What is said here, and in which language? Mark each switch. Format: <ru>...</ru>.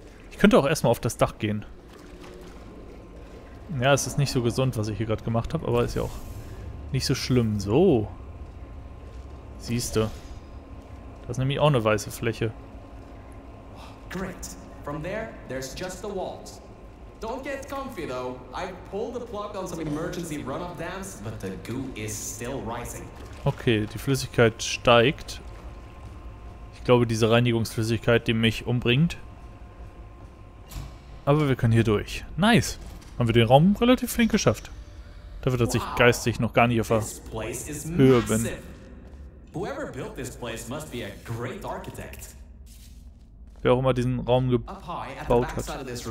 <de>Ich könnte auch erstmal auf das Dach gehen. Ja, es ist nicht so gesund, was ich hier gerade gemacht habe, aber ist ja auch nicht so schlimm. So. Siehst du. Das ist nämlich auch eine weiße Fläche.</de> <en>Great. From there, there's just the walls. Don't get comfy though. I pulled the plug on some emergency runoff dams, but the goo is still rising.</en> <de>Okay, die Flüssigkeit steigt. Ich glaube, diese Reinigungsflüssigkeit, die mich umbringt. Aber wir können hier durch. Nice. Haben wir den Raum relativ flink geschafft. Dafür, dass ich geistig noch gar nicht auf der Höhe bin.</de> <en>Whoever built this place must be a great architect.</en> <de>Wer auch immer diesen Raum gebaut hat.</de>